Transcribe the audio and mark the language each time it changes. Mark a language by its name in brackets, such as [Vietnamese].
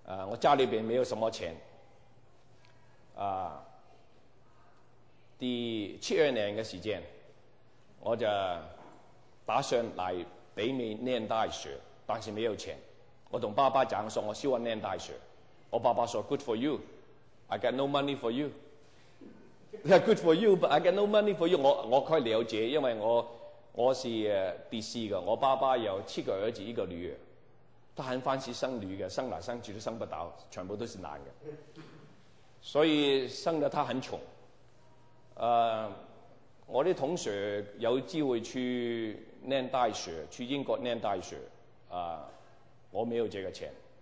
[Chinese] 我家里边没有什么钱。第七二年的时间，我就打算来北美念大学，但是没有钱。我同爸爸讲说，我希望念大学。我爸爸说 [English] ，Good for you, I got no money for you. Yeah, good for you, but I got no money for you. [Chinese] 我可以了解，因为我是第四个，我爸爸有七个儿子，一个女儿。他很欢喜生女的，生来生去都生不到，全部都是男的，所以生得他很穷。我的同学有机会去念大学，去英国念大学，我没有这个钱。